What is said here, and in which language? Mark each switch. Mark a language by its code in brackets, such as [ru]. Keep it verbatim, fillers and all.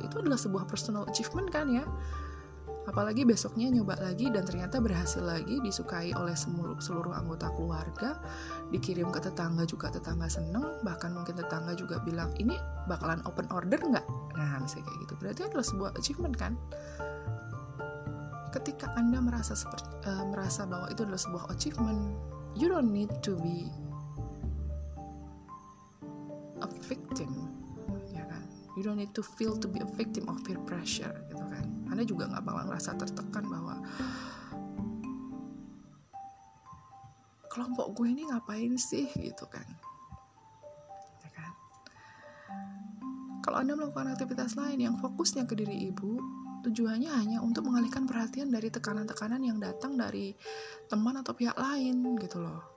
[id] Itu adalah sebuah [en] personal achievement [id] kan ya. Apalagi besoknya nyoba lagi dan ternyata berhasil lagi, disukai oleh seluruh, seluruh anggota keluarga, dikirim ke tetangga juga, tetangga seneng, bahkan mungkin tetangga juga bilang, ini bakalan [en] open order [id] nggak? Nah, misalnya kayak gitu. Berarti adalah sebuah achievement kan? Ketika Anda merasa seperti, uh, merasa bahwa itu adalah sebuah achievement, [en] you don't need to be a victim, [id] ya kan? [en] You don't need to feel to be a victim of peer pressure, [id] gitu kan? Anda juga gak bakal ngerasa tertekan bahwa kelompok gue ini ngapain sih gitu kan, ya kan? Kalau Anda melakukan aktivitas lain yang fokusnya ke diri ibu, tujuannya hanya untuk mengalihkan perhatian dari tekanan-tekanan yang datang dari teman atau pihak lain gitu loh.